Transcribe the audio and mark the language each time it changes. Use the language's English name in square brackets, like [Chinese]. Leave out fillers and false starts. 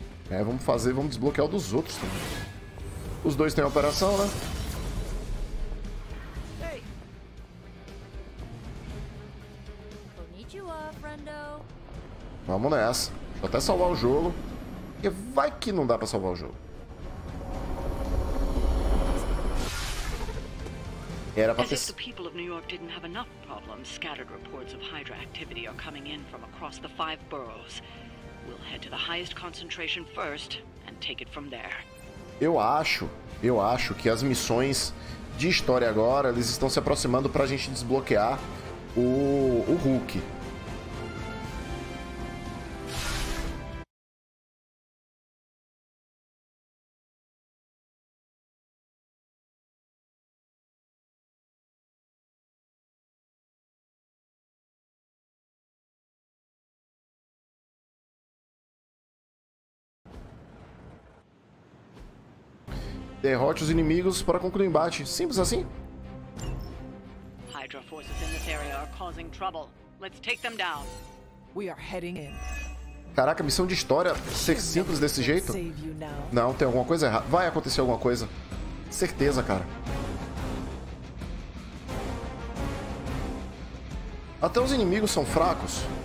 [Portuguese] É, vamos fazer, vamos desbloquear o dos outros também. Os dois têm operação, né? Vamos nessa. Deixa eu até salvar o jogo. Porque vai que não dá pra salvar o jogo. Era pra ter... [English] As if the people of New York didn't have enough problems, scattered reports of Hydra activity are coming in from across the five boroughs. We'll head to the highest concentration first and take it from there. [Portuguese] Eu acho que as missões de história agora, eles estão se aproximando pra gente desbloquear o Hulk. Derrote os inimigos para concluir o embate. Simples assim. [English] Hydra forces in this area are causing trouble. Let's take them down. We are heading in. [Portuguese] Caraca, missão de história ser simples desse jeito? Não, tem alguma coisa errada. Vai acontecer alguma coisa. Certeza, cara. Até os inimigos são fracos.